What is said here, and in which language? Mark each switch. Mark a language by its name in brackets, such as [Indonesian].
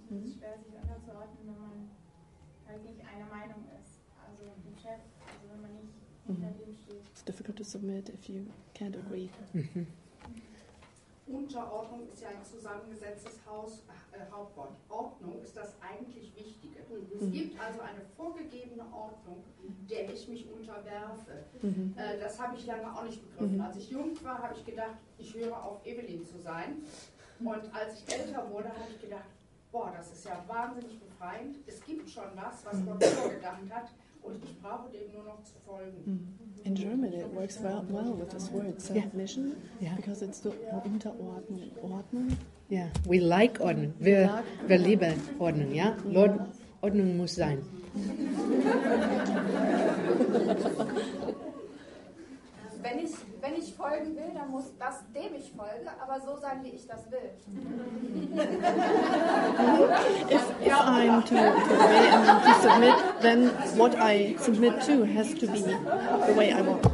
[German] Es ist schwer, sich unterzuordnen, wenn man eigentlich einer Meinung ist. Also im Chef, also wenn man nicht hinter dem steht. [English] It's difficult to submit if you can't agree. [German] Unterordnung ist ja ein zusammengesetztes Hauptwort. Ordnung ist das eigentlich Wichtige. Es gibt also eine vorgegebene Ordnung, der ich mich unterwerfe. Das habe ich lange auch nicht begriffen. Als ich jung war, habe ich gedacht, ich höre auf, Evelyn zu sein. Und als ich älter wurde, habe ich gedacht, boah, das ist ja wahnsinnig befreiend. Es gibt schon was, was Gott vorgedacht hat und ich brauche dem nur noch zu folgen. [English] In Germany it works well with this word, submission, because it's the Unterordnung. Yeah, we like Ordnung. [German] Wir lieben Ordnung, ja? Lord, Ordnung muss sein. Wenn ich folgen will, dann muss das, dem ich folge, aber so sein, wie ich das will. [English] If I'm to obey and to submit, then what I submit to has to be the way I want.